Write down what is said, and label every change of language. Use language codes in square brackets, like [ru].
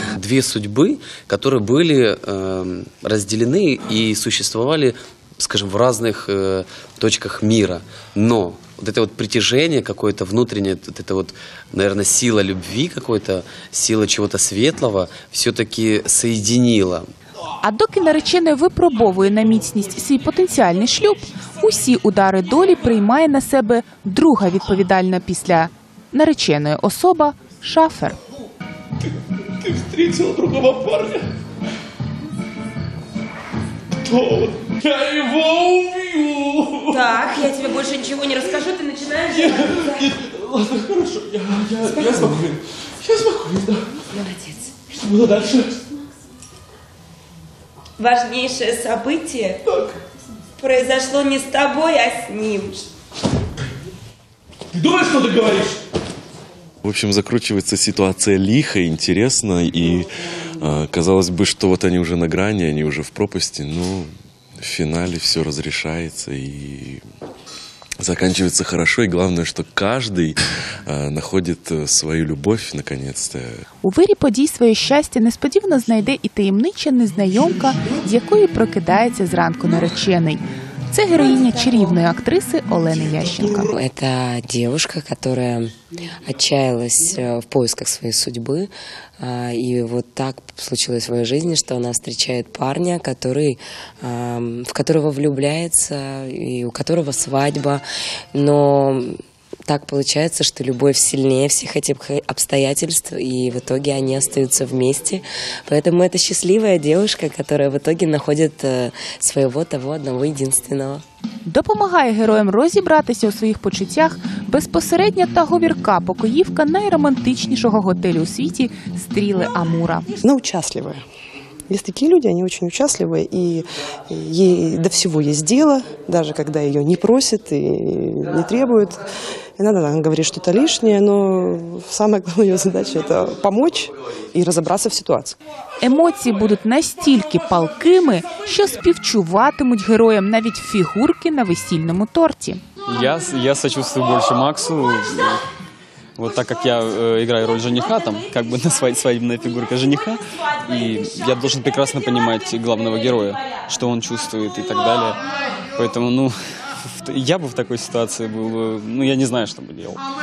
[ru] Две судьбы, которые были разделены и существовали, скажем, в разных точках мира. Но вот это вот притяжение какое-то внутреннее, вот это вот, наверное, сила любви какой-то, сила чего-то светлого, все-таки соединила. [uk] А доки наречений випробовує на міцність свій потенціальний шлюб, усі удари долі приймає на себе друга відповідальна після нареченої особа Шафер. Ти зустрічила другого парня? Хто? Я його вб'ю! Так, я тобі більше нічого не розкажу, ти починаєш? Ні, [ru] ладно, хорошо, [uk] я спокійний. Я спокійний, так. Да. Молодець. Що було далі? [ru] Важнейшее событие произошло не с тобой, а с ним. Ты думаешь, что ты говоришь? В общем, закручивается ситуация лихо, интересно, и казалось бы, что вот они уже на грани, они уже в пропасти, но в финале все разрешается и заканчивается хорошо, и главное, что каждый находит свою любовь наконец-то. [uk] У Вирі подій своє щастя несподівано знайде і таємнича незнайомка, з якої прокидається зранку наречений. Це героїня чарівної актриси Олени Ященко. Це дівчина, яка відчаялась в пошуках своєї судьби. [ru] И вот так случилось в своей жизни, что она встречает парня, в которого влюбляется, и у которого свадьба. Но так получается, что любовь сильнее всех этих обстоятельств, и в итоге они остаются вместе. Поэтому это счастливая девушка, которая в итоге находит своего того одного единственного. [uk] Допомагає героям розібратися у своїх почуттях безпосередня та говірка покоївка найромантичнішого готелю у світі «Стріли Амура». Вона учаслива. Є такі люди, вони дуже учасливі, і їй до всього є діло, навіть коли її не просять і не требують. Вона говорить, що це лишнє, але найголовніша її задача – це допомогти і розібратися в ситуації. Емоції будуть настільки палкими, що співчуватимуть героям навіть фігурки на весільному торті. [ru] Я сочувствую більше Максу, вот так как я играю роль жениха, там как бы на свадебная фигурка жениха, и я должен прекрасно понимать главного героя, что он чувствует и так далее. Поэтому, ну, я бы в такой ситуации был, ну, я не знаю, что бы делал.